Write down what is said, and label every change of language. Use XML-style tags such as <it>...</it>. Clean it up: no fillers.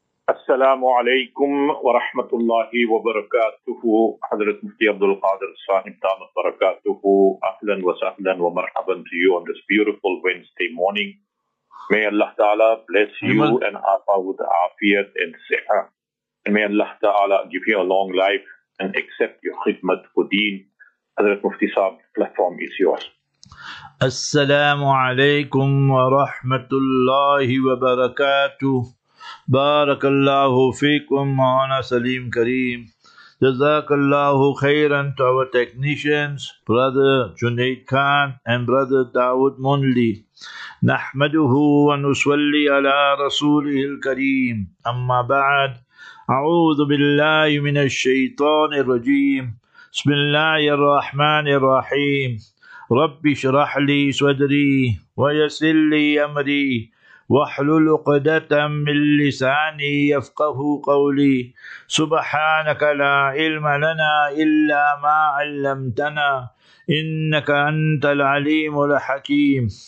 <ar>السلام عليكم ورحمة الله وبركاته. حضرة مفتي عبد القادر صاحب دام بركاته، أهلا وسهلا ومرحبا</ar> <en>to you on this beautiful Wednesday morning. May Allah Ta'ala bless you and have all with afiyat and siha. And may Allah Ta'ala give you a long life and accept your khidmat for deen. حضرة مفتي صاحب, the platform is yours. السلام عليكم ورحمة الله وبركاته.</en> <ar>بارك الله فيكم معنا سليم كريم. جزاك الله خيرا</ar> <en>to our technicians, brother Junaid Khan and brother Dawood Monli.</en> <ar>نحمده ونصلي على رسوله الكريم. أما بعد, أعوذ بالله من الشيطان الرجيم. بسم الله الرحمن الرحيم. رب اشرح لي صدري ويسر لي أمري واحلل عقدة من لساني يفقه قولي سبحانك لا علم لنا إلا ما علمتنا إنك أنت العليم الحكيم.</ar>